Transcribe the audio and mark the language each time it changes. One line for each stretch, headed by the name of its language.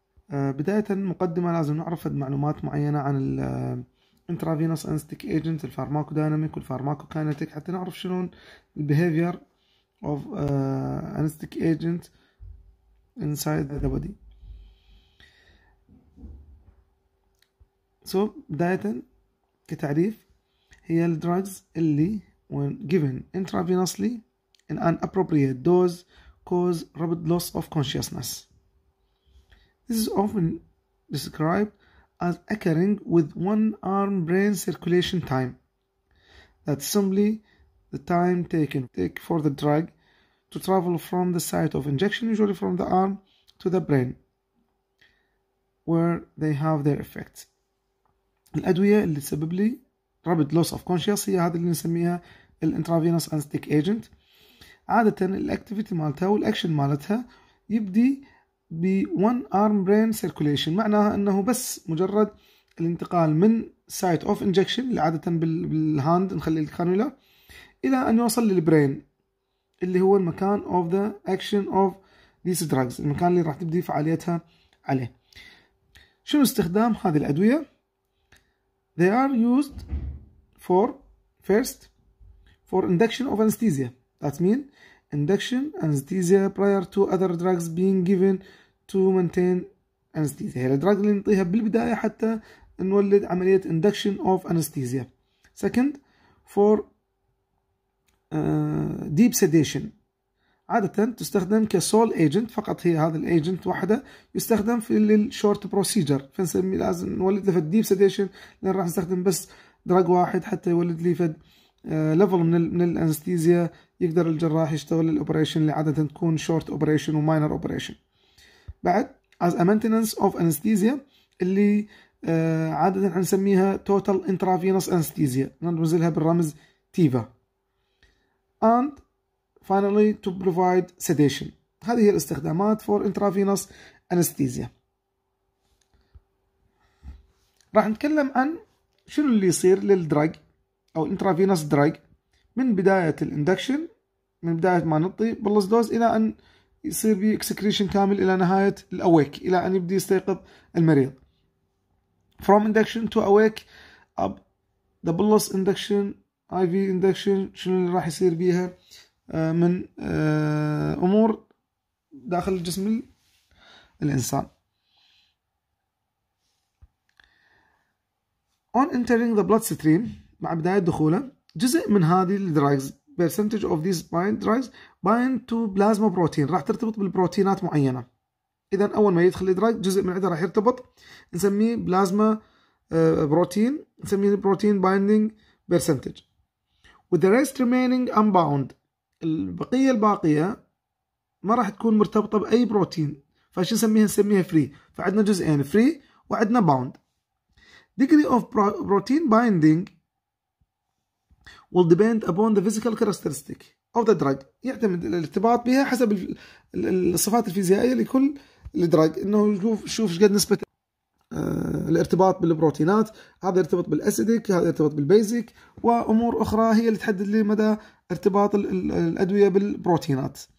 Arabic: بداية مقدمة لازم نعرف معلومات معينة عن ال intravenous anesthetic agent, الفارماكوديناميك والفارماكوكاينتيك, حتى نعرف شلون ال behavior of anesthetic agent inside the body.
English: So بداية كتعريف, هي ال drugs اللي when given intravenously in an appropriate dose cause rapid loss of consciousness. This is often described as occurring with one arm brain circulation time. That's simply the time taken for the drug to travel from the site of injection, usually from the arm to the brain where they have their effects.
Arabic: الأدوية اللي تسبب لي rapid loss of consciousness هي هذا اللي نسميها ال intravenous anesthetic agent. عادة الاكتيفيتي مالتها والاكشن مالتها يبدي ب one arm brain circulation, معناها انه بس مجرد الانتقال من site of injection اللي عادة بالهاند نخلي الكانولا الى ان يوصل للبرين اللي هو المكان of the action of these drugs, المكان اللي راح تبدي فعاليتها عليه.
English: شنو استخدام هذه الادوية؟ They are used for first for induction of anesthesia. That means induction anesthesia prior to other drugs being given to maintain anesthesia.
Arabic: هي الدراج اللي نعطيها بالبداية حتى نولد عملية induction of anesthesia.
English: Second, for deep sedation.
Arabic: عادة تستخدم كsole agent, فقط هي هذا الagent واحدة يستخدم في الshort procedure. فنسمي لازم نولد لفد deep sedation, لأن راح نستخدم بس دراج واحد حتى يولد لي فد level من الانستيزيا يقدر الجراح يشتغل الاوبريشن اللي عادة تكون short operation و minor operation. بعد as a maintenance of anesthesia اللي عادة نسميها total intravenous anesthesia, نرمزلها بالرمز تيفا.
English: And finally to provide sedation.
Arabic: هذه هي الاستخدامات for intravenous anesthesia. راح نتكلم عن شنو اللي يصير للدراج أو intravenous drug من بداية الاندكشن, من بداية ما نعطي بلس دوز إلى أن يصير بي اكسكريشن كامل إلى نهاية الأويك, إلى أن يبدي يستيقظ المريض.
English: From induction to awake up the bolus induction IV induction, شنو اللي راح يصير بيها من أمور داخل جسم الإنسان. On entering the bloodstream, مع بداية دخوله, جزء من هذه الدراجز percentage of these bind drugs bind to plasma protein, راح ترتبط بالبروتينات معينة.
Arabic: إذا أول ما يدخل الدراج جزء من عدة راح يرتبط, نسميه plasma protein, نسميه protein binding percentage. With the rest remaining unbound, البقية الباقية ما راح تكون مرتبطة بأي بروتين, فش نسميها, نسميها free. فعندنا جزئين free وعندنا bound.
English: Degree of protein binding will depend upon the physical characteristic of the drug.
Arabic: يعتمد الارتباط بها حسب الصفات الفيزيائية لكل الدراج, انه نشوف ايش قد نسبة الارتباط بالبروتينات. هذا يرتبط بالاسيديك, هذا يرتبط بالبيزيك, وامور اخرى هي اللي تحدد لي مدى ارتباط الادوية بالبروتينات.